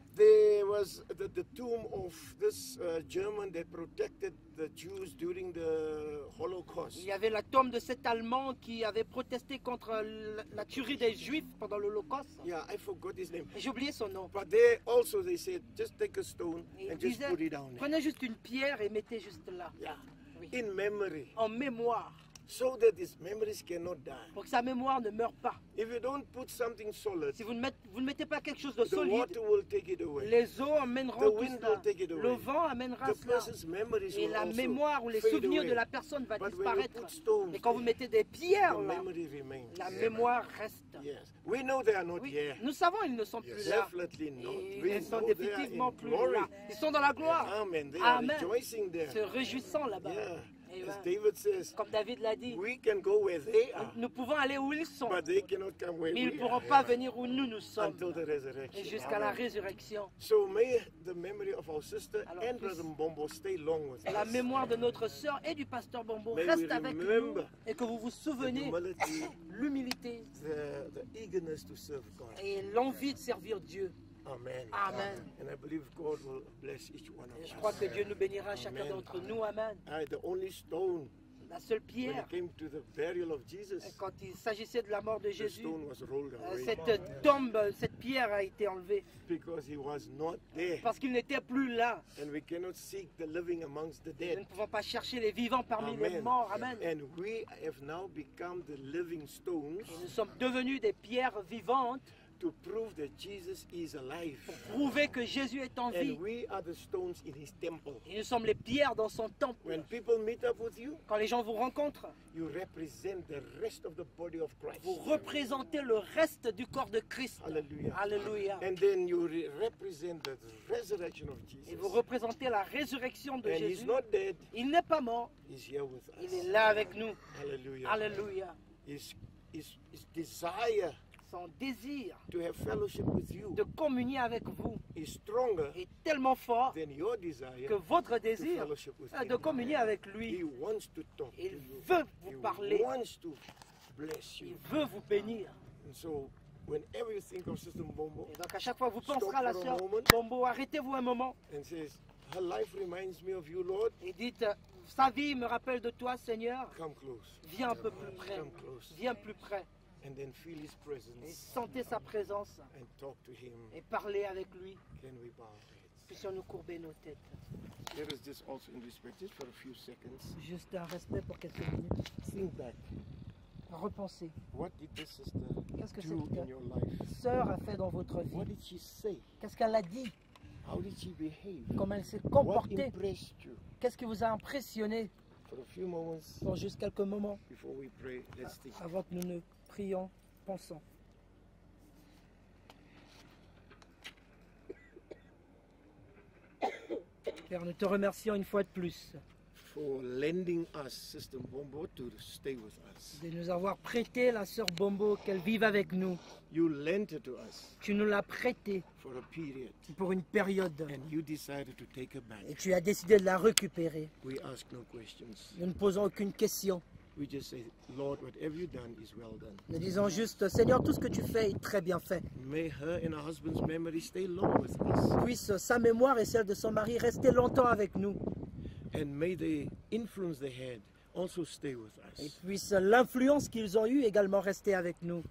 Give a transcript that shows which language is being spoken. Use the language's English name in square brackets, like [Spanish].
[English] There was the tomb of this German that protected the Jews during the Holocaust. [French] Il y avait la tombe de cet Allemand qui avait protesté contre la tuerie des Juifs pendant l'Holocauste. [English] Yeah, I forgot his name. [French] J'ai oublié son nom. [English] But there also they said, just take a stone and just [French] disait, [English] put it down. [French] Prenez juste une pierre et mettez juste là. [English] Yeah. [French] Oui. [English] In memory. [French] En mémoire. [English] So that his memories cannot die. [French] Pour que sa mémoire ne meure pas. [English] If you don't put something solid, [French] si vous ne, vous ne mettez pas quelque chose de solide, [English] the water will take it away. [French] Les eaux amèneront [English] the wind [French] tout [English] will take it away. [French] Le vent amènera [English] the person's memories [French] et [English] will [French] la mémoire ou les souvenirs [English] away. [French] De la personne va [English] But [French] disparaître. [English] When you put stones, [French] mais quand vous mettez des pierres, [English] the [French] là, [English] memory remains. [French] La mémoire reste. [English] Yes. We know they are not [French] oui. [English] here. [French] Nous savons qu'ils ne sont [English] yes. [French] plus [English] Definitely [French] là. [English] Not. [French] Ils ne sont définitivement plus là. Ils sont dans la gloire. [English] Yeah. Amen. They [French] Amen. [English] Are rejoicing there. [French] Se réjouissant là-bas. [English] Yeah. As David says, [French] comme David l'a dit, [English] we can go where they are, [French] nous pouvons aller où ils sont, [English] but they cannot come where [French] mais ils ne pourront [English] are, [French] pas [English] ever, [French] venir où nous nous sommes until the resurrection. Et jusqu'à [English] Amen. [French] La résurrection. [English] So may the memory of our sister [French] Alors, [English] and Brother Mbombo stay long with [French] la [English] us. [French] La mémoire de notre sœur et du pasteur Mbombo [English] may [French] reste avec nous et que vous vous souvenez l'humilité [English] the eagerness to serve God. [French] Et l'envie de servir Dieu. [English] Amen. [French] Amen. [English] And I believe God will bless each one of us. [French] Je crois que Dieu nous bénira chacun d'entre nous. [English] Amen. The only stone. [French] La seule pierre. [English] When it came to the burial of Jesus. [French] Quand il s'agissait de la mort de Jésus. [English] The stone was rolled away. [French] Cette tombe, cette pierre a été enlevée. [English] Because he was not there. [French] Parce qu'il n'était plus là. [English] And we cannot seek the living amongst the dead. [French] Nous ne pouvons pas chercher les vivants parmi les morts. [English] Amen. And we have now become the living stones. [French] Nous sommes devenus des pierres vivantes. [English] To prove that Jesus is alive. [French] Pour prouver que Jésus est en vie. [English] And we are the stones in his temple. [French] Et nous sommes les pierres dans son temple. [English] When people meet up with you, [French] quand les gens vous rencontrent, [English] you represent the rest of the body of Christ. [French] Vous représentez le reste du corps de Christ. Alléluia. Alléluia. [English] And then you represent the resurrection of Jesus. [French] Et vous représentez la résurrection de [English] and [French] Jésus. [English] He's not dead. [French] Il n'est pas mort. [English] He's here with us. [French] Il est là avec nous. Alléluia. Alléluia. [English] His desire. [French] Son désir [English] to have fellowship with you [French] de communier avec vous [English] is stronger [French] est tellement fort [English] than your desire [French] que votre désir [English] to fellowship with [French] de communier avec lui. [English] He wants to talk [French] Il [English] to you. [French] Veut vous [English] He [French] parler. [English] Wants to bless you. [French] Il veut vous bénir. [English] And so, whenever you think of Sister Mbombo, [French] et donc à chaque fois que vous penserez à la sœur Mbombo, arrêtez-vous un moment. [English] And says, Her life reminds me of you, Lord. [French] Et dites, sa vie me rappelle de toi, Seigneur. [English] Come close. [French] Viens un peu plus près. [English] Come close. [French] Viens plus près. [English] And then feel his presence. [French] Et sentez sa présence. [English] And talk to him. [French] Et parler avec lui. [English] Can we bow our heads? [French] Puissions-nous courber nos têtes. [English] There is this also in respect, just for a few seconds. [French] Juste un respect pour quelques minutes. [English] Think back. [French] Repensez. [English] What did this sister [French] Qu'est-ce que [English] do [French] cette [English] in your life? [French] Sœur a fait dans votre vie? [English] What did she say? [French] Qu'est-ce qu'elle a dit? [English] How did she behave? [French] Comment elle s'est comportée? [English] What impressed you? [French] Qu'est-ce qui vous a impressionné? [English] For a few moments. [French] Pour juste quelques moments. [English] Before we pray, let's think. [French] Avant que nous ne priant, pensant. [English] Amen. [French] Père, nous te remercions une fois de plus. [English] For lending us Sister Mbombo to stay with us. [French] De nous avoir prêté la sœur Mbombo qu'elle vive avec nous. [English] You lent her to us. [French] Tu nous l'as prêté. [English] For a period. [French] Pour une période. [English] And you decided to take her back. [French] Et tu as décidé de la récupérer. [English] We ask no questions. [French] Nous ne posons aucune question. [English] We just say, Lord, whatever you've done is well done. [French] Nous disons juste, Seigneur, tout ce que tu fais est très bien fait. [English] May her and her husband's memory stay long with us. [French] Puisse sa mémoire et celle de son mari rester longtemps avec nous. [English] And may the influence they had also stay with us. [French] Et puisse l'influence qu'ils ont eue également rester avec nous.